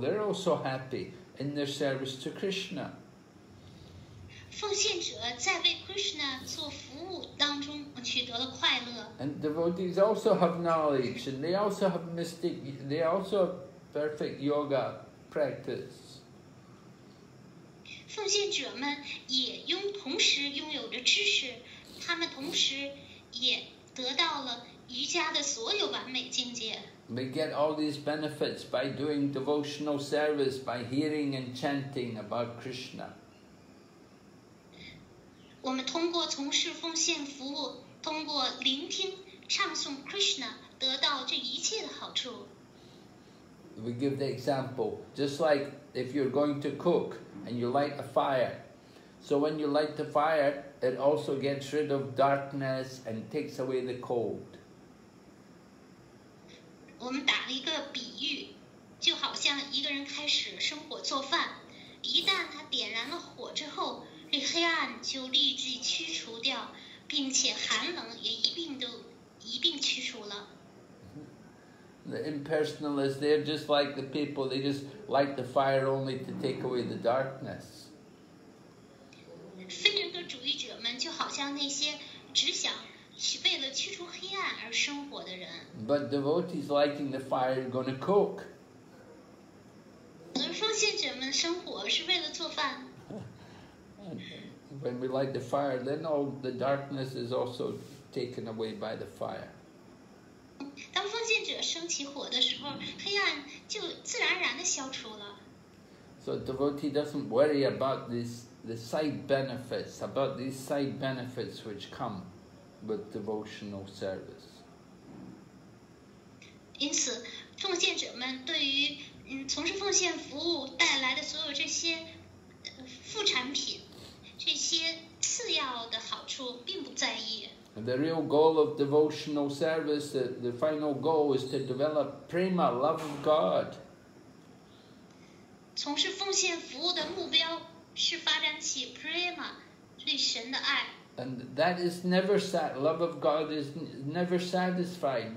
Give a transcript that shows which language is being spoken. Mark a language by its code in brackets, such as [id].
[en] They're also happy in their service to Krishna. [zh] 奉献者在为 Krishna 做服务当中。 [en] And devotees also have knowledge, and they also have mystic, they also have perfect yoga practice. [zh] 奉献者们也同时拥有着知识，他们同时也得到了瑜伽的所有完美境界。 [en] We get all these benefits by doing devotional service, by hearing and chanting about Krishna. [zh] 我们通过从事奉献服务，通过聆听、唱诵 Krishna， 得到这一切的好处。 [en] We give the example, just like if you're going to cook and you light a fire. So when you light the fire, it also gets rid of darkness and takes away the cold. [zh] 我们打了一个比喻，就好像一个人开始生火做饭，一旦他点燃了火之后。这黑暗就立即驱除掉，并且寒冷也一并驱除了。 [en] The impersonalists, they're just like the people. They just light the fire only to take away the darkness. [zh] 非人格主义者们就好像那些只想为了驱除黑暗而生活的人。 [en] But devotees lighting the fire are going to cook. [zh] 而奉献者们生火是为了做饭。 [en] When we light the fire, then all the darkness is also taken away by the fire. [zh] 当奉献者升起火的时候，黑暗就自然而然地消除了。 [en] So a devotee doesn't worry about these side benefits which come with devotional service. [zh] 因此，奉献者们对于从事奉献服务带来的所有这些副产品。这些次要的好处并不在意。 [en] The real goal of devotional service, the final goal is to develop prema, love of God. [zh] 从事奉献服务的目标是发展起 prema, 对神的爱。 [en] And that is never sat, love of God is never satisfied.